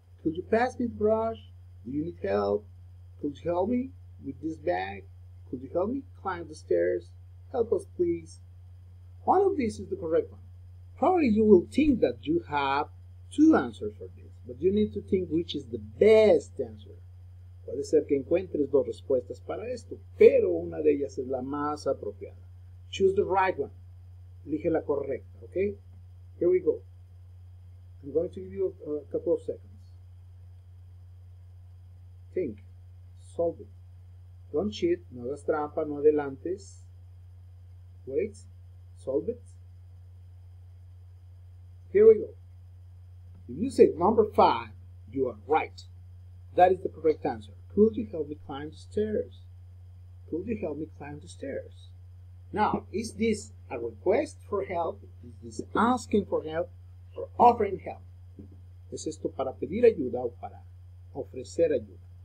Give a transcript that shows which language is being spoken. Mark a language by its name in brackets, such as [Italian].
[English] Could you pass me the brush? Do you need help? Could you help me with this bag? Could you help me climb the stairs? Help us, please. One of these is the correct one. Probably you will think that you have two answers for this, but you need to think which is the best answer. [Spanish] Puede ser que encuentres dos respuestas para esto, pero una de ellas es la más apropiada. [English] Choose the right one. [Spanish] Elige la correcta, [English] okay? Here we go. I'm going to give you a couple of seconds. Think. Solve it. Don't cheat. [Spanish] No hagas trampa. No adelantes. [English] Wait. Solve it. Here we go. If you say number five, you are right. That is the correct answer. Could you help me climb the stairs? Could you help me climb the stairs? Now, is this a request for help? Is this asking for help or offering help? [Spanish] ¿Es esto para pedir ayuda o para ofrecer ayuda?